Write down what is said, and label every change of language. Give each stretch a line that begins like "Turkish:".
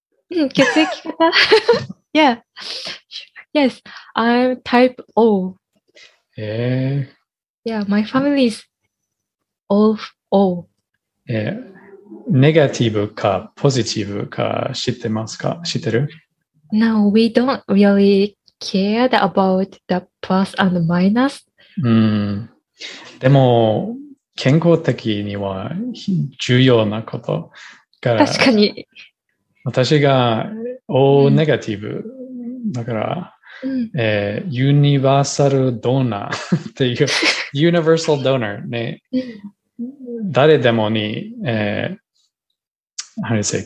English: 血液型。yeah. Yes, I'm type O. Yeah, my family is all of O. Yeah.
Japanese: ネガティブかポジティブか知ってますか？知ってる？
English: No, we don't really care about the plus and the minus.
Japanese: でも健康的には重要なことが確かに私が O ネガティブだから、ユニバーサルドーナーっていうユニバーサルドーナーね誰でもに、
English: How do you say?